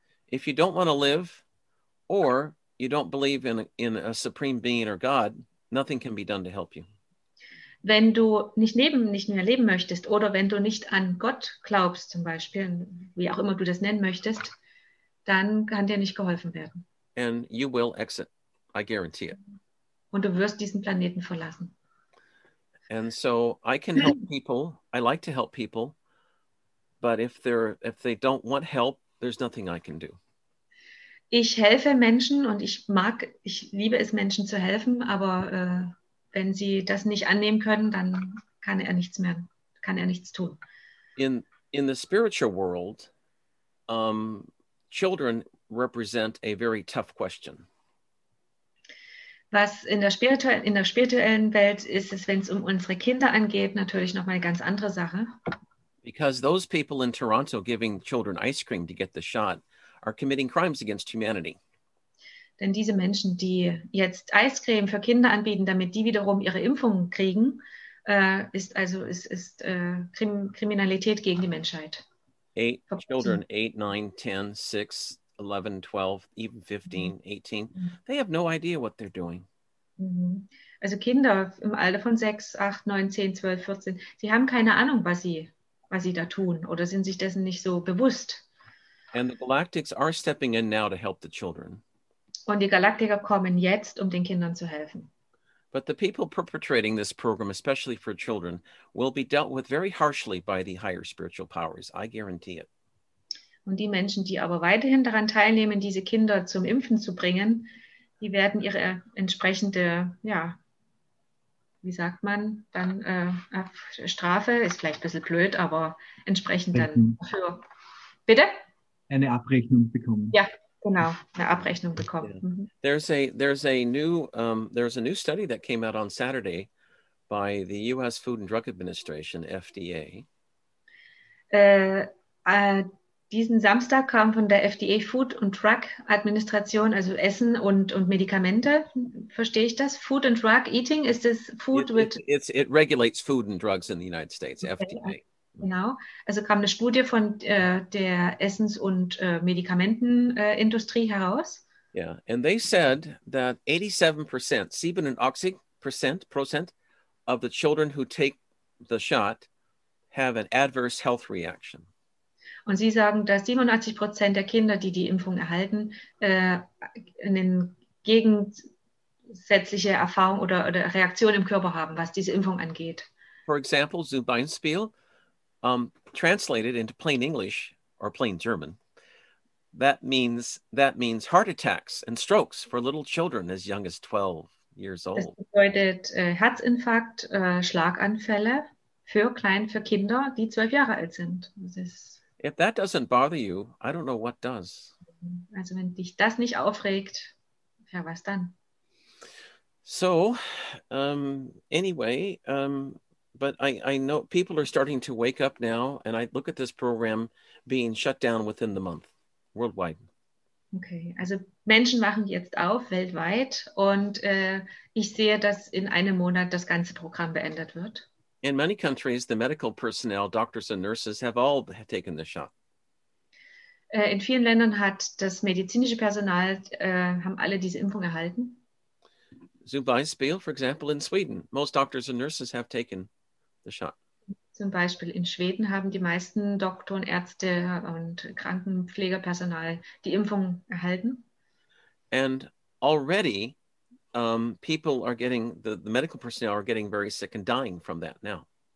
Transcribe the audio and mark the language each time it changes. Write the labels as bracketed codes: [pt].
[en] If you don't want to live or you don't believe in a supreme being or God, nothing can be done to help you. [de] Wenn du nicht mehr leben möchtest oder wenn du nicht an Gott glaubst, zum Beispiel, wie auch immer du das nennen möchtest, dann kann dir nicht geholfen werden. [en] And you will exit, I guarantee it. [de] Und du wirst diesen Planeten verlassen. [en] And so I can help people, I like to help people. But if they don't want help, there's nothing I can do. [de] Ich helfe Menschen und ich liebe es, Menschen zu helfen, aber wenn sie das nicht annehmen können, dann kann er nichts mehr, kann er nichts tun. [en] In the spiritual world, children represent a very tough question. [de] Was in der spirituellen Welt ist, ist, wenn es um unsere Kinder angeht, natürlich nochmal eine ganz andere Sache. [en] Because those people in Toronto giving children ice cream to get the shot are committing crimes against humanity. [de] Denn diese Menschen, die jetzt Eiscreme für Kinder anbieten, damit die wiederum ihre Impfung kriegen, Kriminalität gegen die Menschheit. [en] Eight children, 8, 9, 10, 6, 11, 12, even 15, 18, they have no idea what they're doing. [de] Also Kinder im Alter von 6, 8, 9, 10, 12, 14, sie haben keine Ahnung, was sie da tun oder sind sich dessen nicht so bewusst. [en] And the Galactics are stepping in now to help the children. [de] Und die Galaktiker kommen jetzt, um den Kindern zu helfen. [en] But the people perpetrating this program, especially for children, will be dealt with very harshly by the higher spiritual powers. I guarantee it. [de] Und die Menschen, die aber weiterhin daran teilnehmen, diese Kinder zum Impfen zu bringen, die werden ihre entsprechende, ja, wie sagt man, dann Strafe, ist vielleicht ein bisschen blöd, aber entsprechend dann für, bitte? Eine Abrechnung bekommen. Ja. Genau, eine Abrechnung bekommen. [en] Yeah. There's a new study that came out on Saturday by the U.S. Food and Drug Administration, FDA. [de] Diesen Samstag kam von der FDA Food and Drug Administration, also Essen und Medikamente. Verstehe ich das? [en] Food and Drug Eating, [de] ist das [en] Food with... It regulates food and drugs in the United States, okay. FDA. [de] Genau, also kam eine Studie von der Essens- und Medikamentenindustrie heraus. [en] Yeah, and they said that 87%, 87% percent of the children who take the shot have an adverse health reaction. [de] Und sie sagen, dass 87% der Kinder, die die Impfung erhalten, eine gegensätzliche Erfahrung oder Reaktion im Körper haben, was diese Impfung angeht. [en] For example, Zubeinspiel. Translated into plain English or plain German, that means heart attacks and strokes for little children as young as 12 years old. [de] Das bedeutet Herzinfarkt, Schlaganfälle für Kinder, die 12 Jahre alt sind. Das ist, [en] if that doesn't bother you, I don't know what does. [de] Also wenn dich das nicht aufregt, ja, was dann? [en] So, anyway... But I know people are starting to wake up now, and I look at this program being shut down within the month, worldwide. [de] Okay, also Menschen machen jetzt auf, weltweit, und ich sehe, dass in einem Monat das ganze Programm beendet wird. [en] In many countries, the medical personnel, doctors and nurses, have taken the shot. [de] In vielen Ländern hat das medizinische Personal, haben alle diese Impfung erhalten. [en] Zubeinspiel, for example, in Sweden, most doctors and nurses have taken the shot. [de] Zum Beispiel in Schweden haben die meisten Doktoren, Ärzte und Krankenpflegepersonal die Impfung erhalten. [en] And already people are getting, the medical personnel are getting very sick and dying from that now.